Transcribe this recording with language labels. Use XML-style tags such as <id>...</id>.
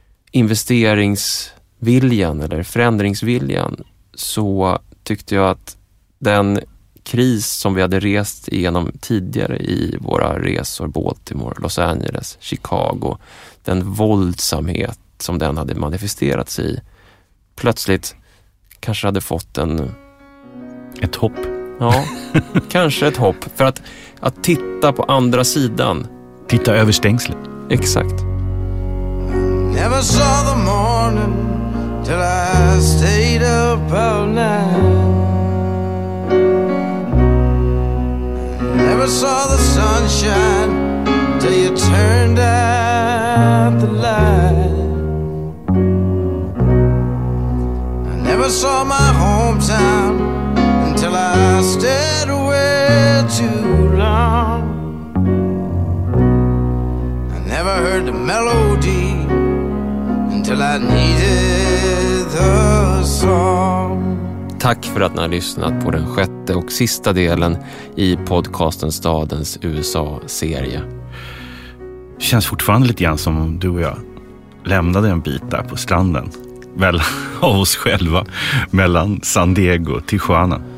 <sv>investeringsviljan eller förändringsviljan, så tyckte jag att den kris som vi hade rest igenom tidigare i våra resor, Baltimore, Los Angeles, Chicago, den våldsamhet som den hade manifesterat sig i, plötsligt kanske hade fått en... ett hopp. Ja, kanske ett hopp. För att titta på andra sidan. Titta över stängslet. Exakt.</sv> <en>Never saw the morning till I stayed up all night. Never saw the sunshine till you turned out the light. I never saw my hometown until I stayed away too long. I never heard the melody until I needed the song.</en> <sv>Tack för att ni har lyssnat på den sjätte och sista delen i podcasten Stadens USA-serie. Det känns fortfarande lite grann som du och jag lämnade en bit där på stranden. Väl av oss själva, mellan San Diego och Tijuana.</sv>